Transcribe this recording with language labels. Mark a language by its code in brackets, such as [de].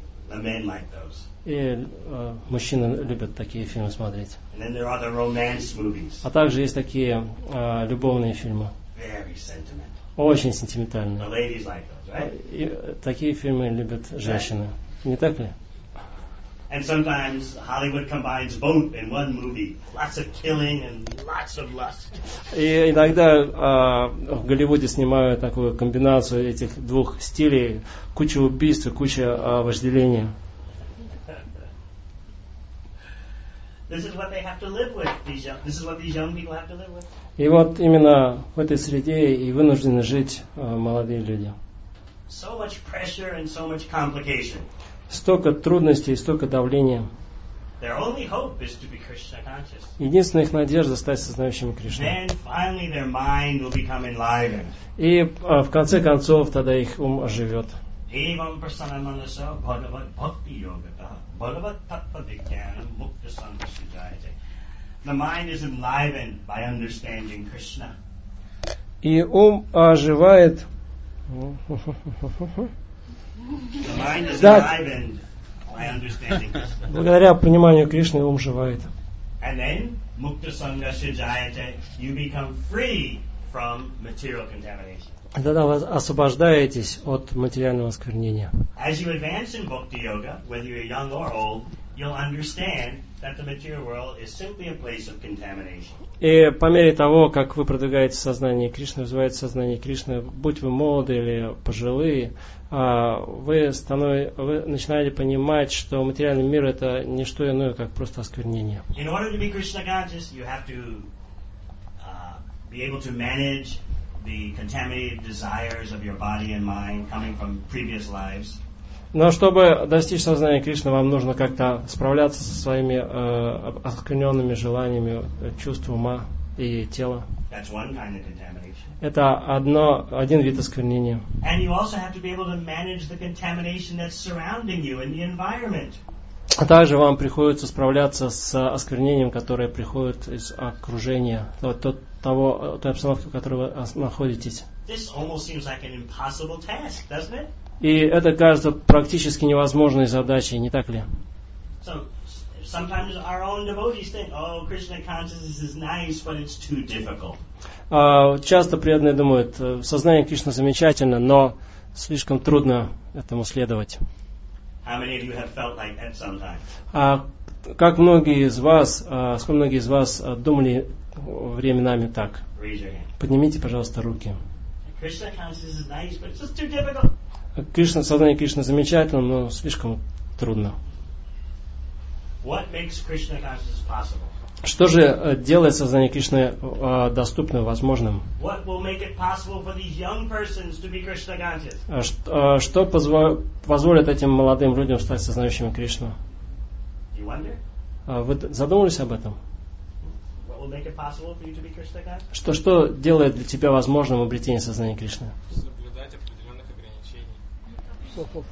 [en] The men like those. [ru] И мужчины любят такие фильмы смотреть. [en] And then there are the romance movies. [ru] А также есть такие любовные фильмы. [en] Very sentimental. [ru] Очень сентиментально. [en] The ladies like those, right? [ru] Такие фильмы любят женщины. [en] Right. [ru] Не так ли? [en] And sometimes Hollywood combines both in one movie. Lots of killing and lots of lust. [ru] И иногда в Голливуде снимают такую комбинацию этих двух стилей. Куча убийств, куча вожделения. [en] This is what they have to live with. This is what these young people have to live with. [ru] И вот именно в этой среде и вынуждены жить молодые люди. [en] So much pressure and so much complication. [ru] Столько трудностей, столько давления. [en] Their only hope is to be Krishna conscious. [ru] Единственная их надежда стать сознающими Кришну. [en] Then finally their mind will become enlivened. [ru] И в конце концов тогда их ум оживет. [sa] Evam prasannamanasa bhagavat bhakti yogata bhagavat tattva vijnanam mukta sanvasya jayate. [en] The mind is enlivened by understanding Krishna. [ru] И ум оживает. [en] The mind is enlivened by understanding Krishna. [ru] Благодаря пониманию Кришны ум живает. [en] And then [sa] mukta sangasya jayate, [en] you become free from material contamination. [ru] Тогда вы освобождаетесь от материального осквернения. [en] As you advance in bhakti yoga, whether you're young or old, you'll understand that the material world is simply a place of contamination. [ru] И по мере того, как вы продвигаете сознание Кришны, развиваете сознание Кришны, будь вы молоды или пожилые, вы начинаете понимать, что материальный мир это не что иное, как просто осквернение. [en] In order to be Krishna conscious, you have to be able to manage the contaminated desires of your body and mind coming from previous lives. [ru] Но чтобы достичь сознания Кришны, вам нужно как-то справляться со своими оскверненными желаниями чувств ума и тела. [en] That's one kind of contamination. [ru] Это один вид осквернения. [en] And you also have to be able to manage the contamination that's surrounding you in the environment. [ru] А также вам приходится справляться с осквернением, которое приходит из окружения, той обстановки, в которой вы находитесь. [en] This almost seems like an impossible task, doesn't it? [ru] И это кажется практически невозможной задачей, не так ли? [en] So, sometimes our own devotees think, oh, Krishna consciousness is nice, but it's too difficult. [ru] Часто преданные думают, сознание Кришны замечательно, но слишком трудно этому следовать. [en] How many of you have felt like that sometimes? [ru] как многие из вас, сколько многие из вас думали временами так? Поднимите, пожалуйста, руки. Кришна, сознание Кришны замечательно, но слишком трудно. [en] What makes Krishna consciousness possible? [ru] Что же делает сознание Кришны доступным, возможным? [en] What will make it possible for these young persons to be Krishna conscious? [ru] Что позволит этим молодым людям стать сознающими Кришну? [en] You wonder? [ru] Вы задумывались об этом? [en] What will make it possible for you to be Krishna conscious? [ru] Что делает для тебя возможным обретение сознания Кришны? Соблюдать определенных ограничений.